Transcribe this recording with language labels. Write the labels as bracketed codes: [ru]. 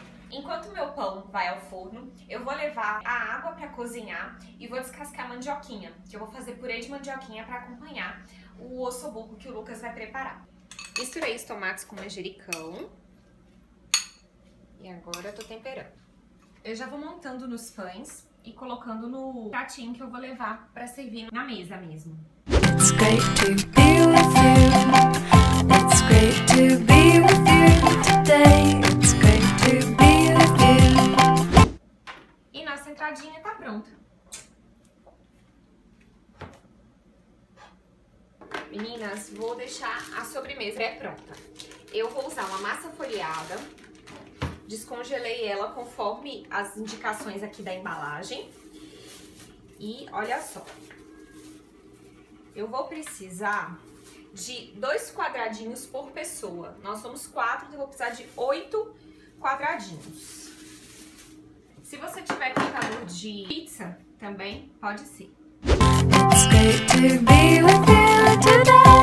[pt] Enquanto meu pão vai ao forno, eu vou levar a água para cozinhar e vou descascar a mandioquinha, que eu vou fazer purê de mandioquinha para acompanhar o ossobuco que o Lucas vai preparar. Misturei os tomates com manjericão e agora eu tô temperando. Eu já vou montando nos pães e colocando no pratinho que eu vou levar pra servir na mesa mesmo. [en] It's great to be with you. It's great to be with you today. It's great to be with you. [pt] E nossa entradinha tá pronta. Meninas, vou deixar a sobremesa pré-pronta. Eu vou usar uma massa folheada. Descongelei ela conforme as indicações aqui da embalagem. E olha só. Eu vou precisar de 2 quadradinhos por pessoa. Nós somos 4, então eu vou precisar de 8 quadradinhos. Se você tiver picador de pizza também, pode ser. [en] It's great to be with you today.